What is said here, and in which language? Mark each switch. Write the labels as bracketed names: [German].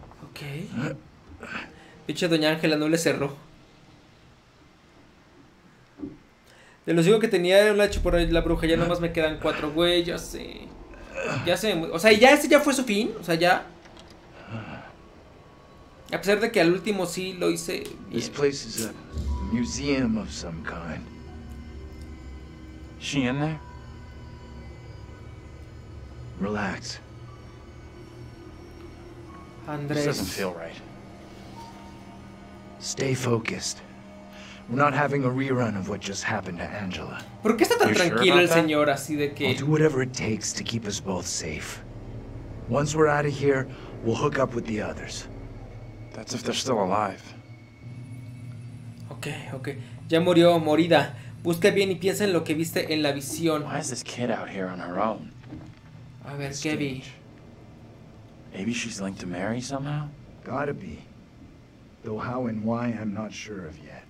[Spanish] Okay. Pinche doña Ángela no le cerró. De los cinco que tenía un hacha por ahí, la bruja, ya nomás me quedan cuatro, güey, ya sé. Ya sé, o sea, ya ese ya fue su fin, o sea, ya. A pesar de que al último sí lo hice bien. [English] This place is a museum of some kind. She in there? Relax. Andres. This doesn't feel right. Stay focused. We're not having a rerun of what just happened to Angela. [Spanish] ¿Por qué está tan tranquilo el señor así de que? [English] I'll do whatever it takes to keep us both safe. Once we're out of here, we'll hook up with the others. That's if they're still alive. [Spanish] Okay, okay. Ya murió, morida. Busca bien y piensa en lo que viste en la visión. [English] Why is this kid out here on her own? [Spanish] A ver, [English] it's Kevin. Strange. Maybe she's linked to Mary somehow? Gotta be. Though how and why, I'm not sure of yet.